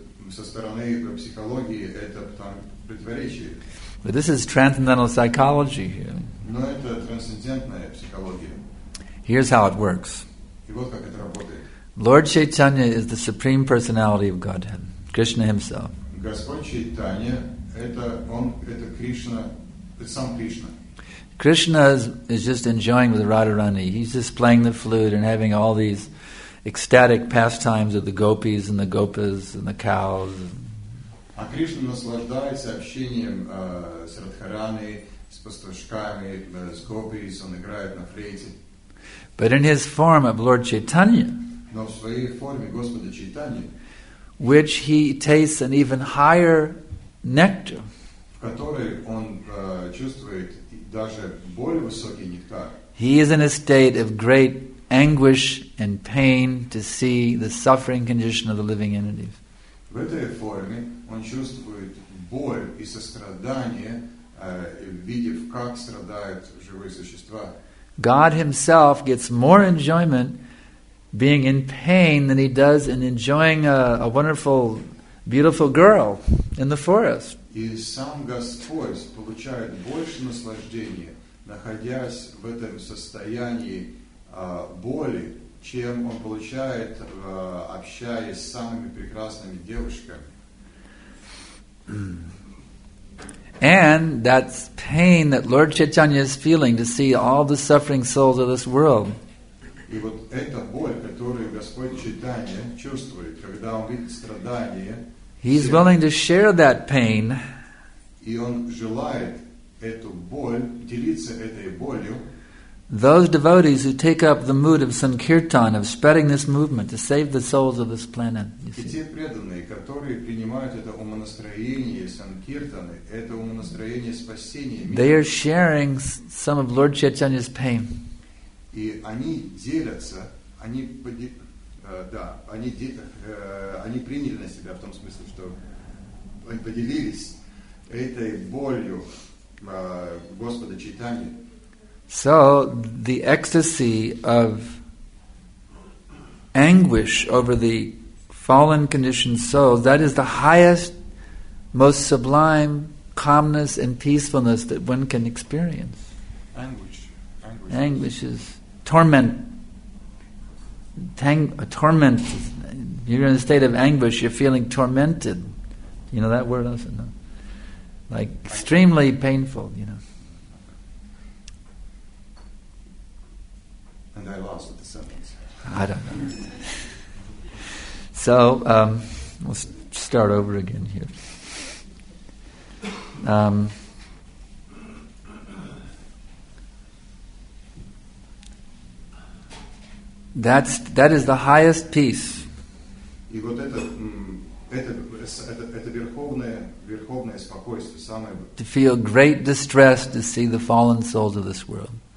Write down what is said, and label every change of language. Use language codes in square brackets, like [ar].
[ru] Со стороны психологии это противоречие. [en] But this is transcendental psychology here. [ru] Но это трансцендентная психология. [en] Here's how it works. [ru] И вот как это работает. [en] Lord Chaitanya is the supreme personality of Godhead, Krishna himself. [ru] Господь Чайтанья, это Кришна, это сам Кришна. [en] Krishna is just enjoying with Radharani. He's just playing the flute and having all these ecstatic pastimes of the gopis and the gopas and the cows. [ru] А Кришна наслаждается общением с Радхарани, с пастушками, с гопис, он играет на флейте. [en] But in his form of Lord Chaitanya, [ru] но в своей форме Господа Чайтаньи, [en] which he tastes an even higher nectar, [ru] в которой он чувствует даже более высокий нектар. [en] He is in a state of great anguish and pain to see the suffering condition of the living entities. [ru] В этой форме он чувствует боль и сострадание, видев, как страдают живые существа. [en] God himself gets more enjoyment being in pain than he does in enjoying a wonderful, beautiful girl in the forest. [ru] И сам Господь получает больше наслаждения, находясь в этом состоянии боли, чем он получает, общаясь с самыми прекрасными девушками. [en] And that pain that Lord Chaitanya is feeling to see all the suffering souls of this world. [ru] И вот эта боль, которую Господь Чайтанья чувствует, когда он видит страдания, [en] He's willing to share that pain. [ru] И он желает эту боль, делиться этой болью. [en] Those devotees who take up the mood of Sankirtan, of spreading this movement to save the souls of this planet. [ru] И те преданные, которые принимают это умонастроение Санкиртаны, это умонастроение спасения мира. [en] They are sharing some of Lord Chaitanya's pain. [ru] И они делятся, они они приняли на себя в том смысле, что они поделились этой болью Господа Чайтаньи. [en] So the ecstasy of anguish over the fallen conditioned souls, that is the highest, most sublime calmness and peacefulness that one can experience. Anguish is torment. Torment. You're in a state of anguish, you're feeling tormented. You know that word also? No? Like extremely painful, you know. And I lost the sentence. I don't know. So, we'll start over again here. That is the highest peace. [ru] И вот это верховное спокойствие, самое. [en] To feel great distress to see the fallen souls of this world.